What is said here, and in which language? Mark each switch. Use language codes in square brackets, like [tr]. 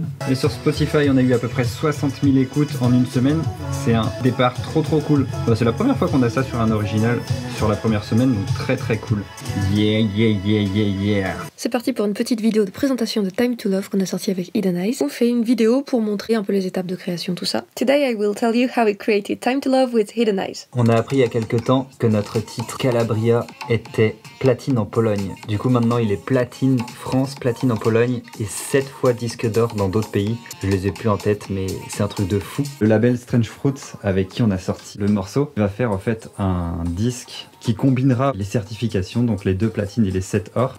[fr] Et sur Spotify, on a eu à peu près 60 000 écoutes en une semaine. C'est un départ trop trop cool. Bon, c'est la première fois qu'on a ça sur un original, sur la première semaine, donc très très cool. [en] Yeah. [fr] C'est parti pour une petite vidéo de présentation de Time to Love qu'on a sorti avec Eden Ice. On fait une vidéo pour montrer un peu les étapes de création, tout ça. [en] Today I will tell you how we created Time to Love with Eden Ice. [fr] On a appris il y a quelques temps que notre titre Calabria était platine en Pologne. Du coup maintenant il est platine France, platine en Pologne et 7 fois disque d'or dans d'autres pays. Je les ai plus en tête mais c'est un truc de fou. Le label Strange Fruits avec qui on a sorti le morceau va faire en fait un disque qui combinera les certifications, donc les 2 platines et les 7 or.